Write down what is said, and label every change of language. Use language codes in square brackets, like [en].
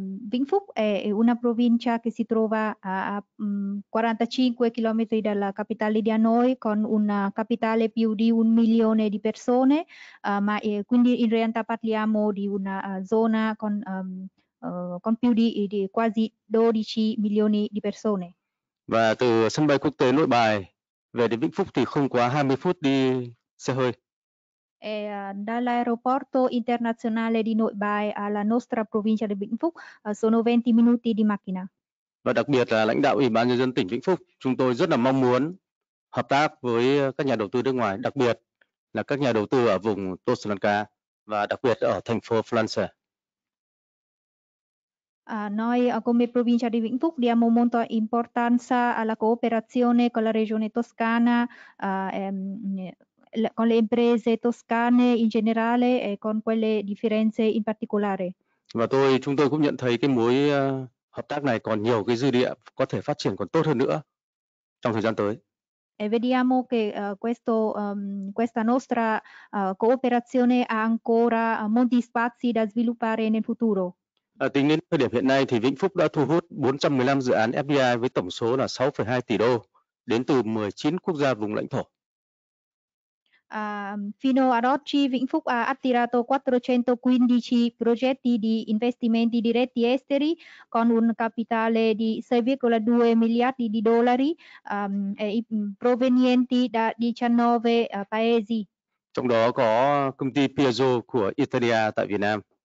[it] Vĩnh Phúc è una provincia che si trova a 45 km dalla capitale di Hanoi, con una capitale più di 1 milione di persone, ma quindi in realtà parliamo di una zona con più di quasi 12 milioni di persone. [vi] Và từ sân bay quốc tế Nội Bài về đến Vĩnh Phúc thì không quá 20 phút đi xe hơi. [it] E dall'aeroporto internazionale di Nội Bài alla nostra provincia di Vĩnh Phúc sono 20 minuti di macchina. [vi] Và đặc biệt là lãnh đạo Ủy ban nhân dân tỉnh Vĩnh Phúc, chúng tôi rất là mong muốn hợp tác với các nhà đầu tư nước ngoài, đặc biệt là các nhà đầu tư ở vùng Tô Sri Lanka và đặc biệt ở thành phố Flansa. [it] Noi come provincia di Vĩnh Phúc diamo molta importanza alla cooperazione con la regione toscana, con le imprese toscane in generale e con quelle di Firenze in particolare. [vi] Và chúng tôi cũng nhận thấy cái mối hợp tác này còn nhiều cái dư địa có thể phát triển còn tốt hơn nữa trong thời gian tới. [it] E vediamo che questa nostra cooperazione ha ancora molti spazi da sviluppare nel futuro. [vi] Tính đến thời điểm hiện nay thì Vĩnh Phúc đã thu hút 415 dự án FDI với tổng số là 6,2 tỷ đô đến từ 19 quốc gia vùng lãnh thổ. [it] Fino ad oggi Vĩnh Phúc ha attirato 415 progetti di investimenti diretti esteri con un capitale di 6,2 miliardi di dollari provenienti da 19 paesi. [vi] Trong đó có công ty Piaggio của Italia tại Việt Nam.